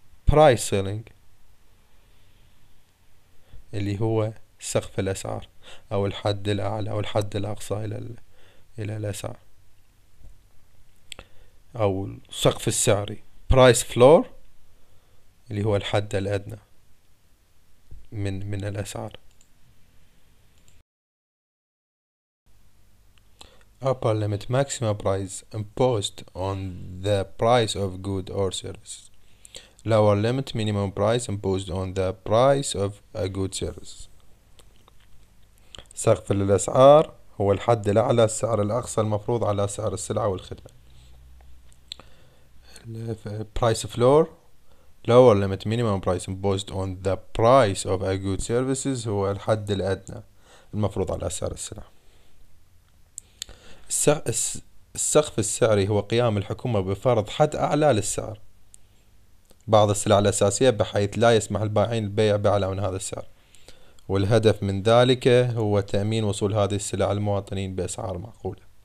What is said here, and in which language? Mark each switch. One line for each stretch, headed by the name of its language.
Arabic: Price ceiling اللي هو سقف الأسعار أو الحد الأعلى أو الحد الأقصى إلى الأسعار أو السقف السعري. Price floor اللي هو الحد الأدنى من الأسعار.
English: Upper limit maximum price imposed on the price of good or service. Lower limit minimum price imposed on the price of a good service.
Arabic: سقف الأسعار هو الحد الأعلى، السعر الأقصى المفروض على سعر السلعة والخدمة.
English: Price floor. Lower limit minimum price imposed on the price of a good services
Arabic: هو الحد الأدنى المفروض على سعر السلعة. السقف السعري هو قيام الحكومة بفرض حد أعلى للسعر بعض السلع الأساسية بحيث لا يسمح البائعين البيع بأعلى من هذا السعر، والهدف من ذلك هو تأمين وصول هذه السلع للمواطنين بأسعار معقولة.